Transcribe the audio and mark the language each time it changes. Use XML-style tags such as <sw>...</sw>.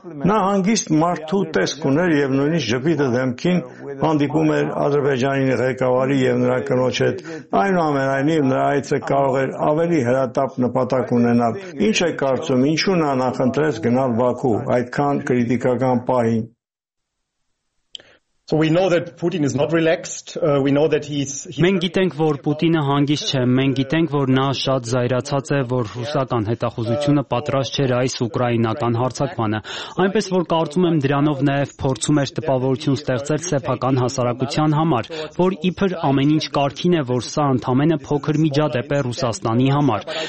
<hy>Նա հանգիստ մարդու տեսք ուներ և նույնիսկ ժպիտը դեմքին հանդիպում էր Ադրբեջանի ղեկավարի և նրա կնոջ հետ։ Այնուամենայնիվ նրա այցը կարող էր ավելի հրատապ նպատակ ունենալ։ Ինչ է կարծում, ինչու նա նախընտրեց գնալ Բաքու այդքան կրիտիկական պահին։</hy> <en>So we know that Putin is not relaxed. We know that he's</en> <hy>Մենք գիտենք, որ Պուտինը հանգիստ չէ։ Մենք գիտենք, որ նա շատ զայրացած է, որ ռուսական հետախուզությունը պատրաստ չէր այս ուկրաինական հարձակմանը։ Այնպես որ կարծում եմ, դրանով նաև փորձում էր տպավորություն ստեղծել սեփական հասարակության համար, որ իբր ամեն ինչ կարգին է, որ սա ընդամենը փոքր միջադեպ է Ռուսաստանի համար։</hy>